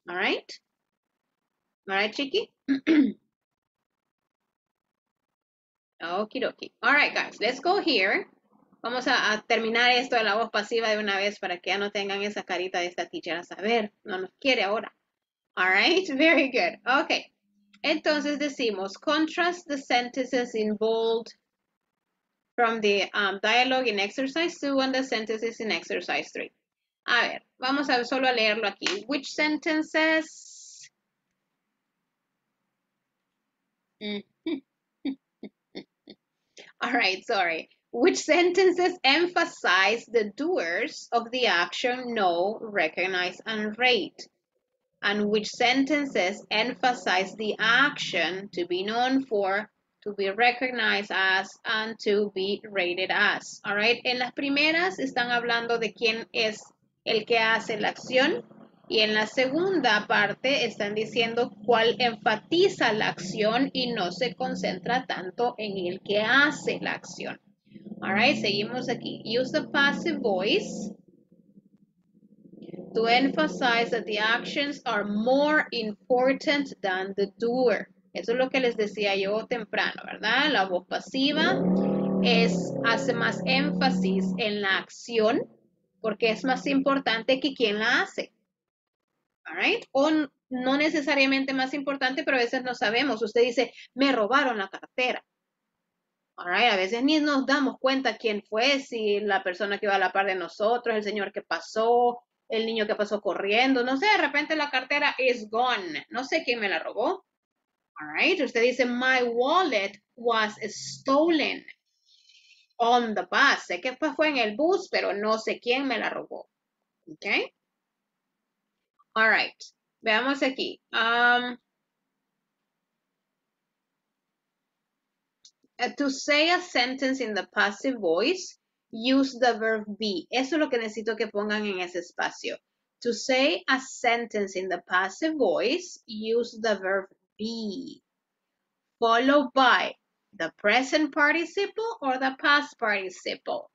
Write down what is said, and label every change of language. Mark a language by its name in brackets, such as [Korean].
[English] All right? All right, Chiqui? Okie dokie. All right, guys, let's go here. [Spanish] Vamos a terminar esto de la voz pasiva de una vez para que ya no tengan esa carita de esta teacher a saber. No nos quiere ahora. [English] All right, very good. Okay. [Spanish] Entonces decimos, [English] contrast the sentences in bold from the dialogue in exercise 2 and the sentences in exercise 3. [Spanish] A ver, vamos a solo a leerlo aquí. [English] Which sentences? All right, sorry. Which sentences emphasize the doers of the action know, recognize, and rate? And which sentences emphasize the action to be known for, to be recognized as, and to be rated as? [Spanish] All right, en las primeras están hablando de quién es el que hace la acción. Y en la segunda parte están diciendo cuál enfatiza la acción y no se concentra tanto en el que hace la acción. All right, seguimos aquí. [English] Use the passive voice to emphasize that the actions are more important than the doer. [Spanish] Eso es lo que les decía yo temprano, ¿verdad? La voz pasiva es, hace más énfasis en la acción porque es más importante que quien la hace. All right? O no necesariamente más importante, pero a veces no sabemos. Usted dice, me robaron la cartera. All right? A veces ni nos damos cuenta quién fue, si la persona que iba a la par de nosotros, el señor que pasó, el niño que pasó corriendo. No sé, de repente la cartera [English] is gone. [Spanish] No sé quién me la robó. All right? Usted dice, [English] my wallet was stolen on the bus. [Spanish] Sé que fue en el bus, pero no sé quién me la robó. Okay? All right, veamos aquí. [English] To say a sentence in the passive voice, use the verb be. [Spanish] Eso es lo que necesito que pongan en ese espacio. [English] To say a sentence in the passive voice, use the verb be. Followed by the present participle or the past participle.